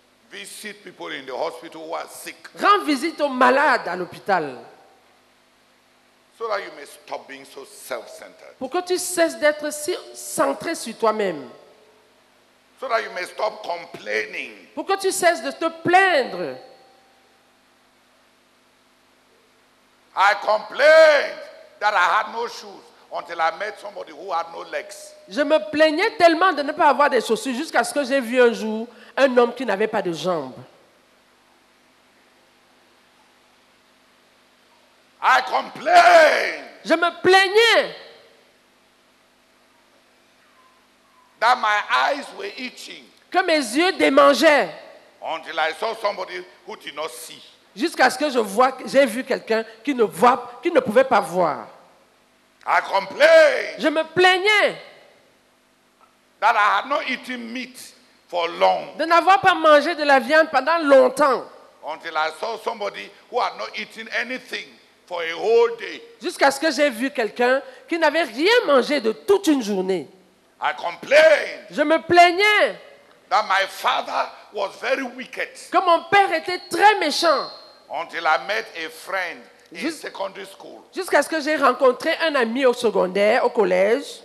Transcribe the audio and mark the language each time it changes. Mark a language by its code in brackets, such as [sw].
[en] Visit people in the hospital who are sick. [fr] Rends visite aux malades à l'hôpital. [en] So that you may stop being so self-centered. [fr] Pour que tu cesses d'être si centré sur toi-même. [en] So that you may stop complaining. [fr] Pour que tu cesses de te plaindre. [en] I complained that I had no shoes until I met somebody who had no legs. [fr] Je me plaignais tellement de ne pas avoir des chaussures jusqu'à ce que j'ai vu un jour un homme qui n'avait pas de jambes. [en] I complained. [fr] Je me plaignais [en] that my eyes were itching. [fr] Que mes yeux démangeaient. [en] Until I saw somebody who did not see. [fr] jusqu'à ce que je vois, j'ai vu quelqu'un qui ne voit, qui ne pouvait pas voir. [en] I complained. [fr] Je me plaignais. [en] That I had not eaten meat for long. [fr] De n'avoir pas mangé de la viande pendant longtemps. [en] Until I saw somebody who had not eaten anything for a whole day. [fr] Jusqu'à ce que j'ai vu quelqu'un qui n'avait rien mangé de toute une journée. [en] I complained. [fr] Je me plaignais. [en] That my father was very wicked. [fr] Que mon père était très méchant. [en] Until I met a friend in secondary school. [fr] Jusqu'à ce que j'ai rencontré un ami au secondaire, au collège.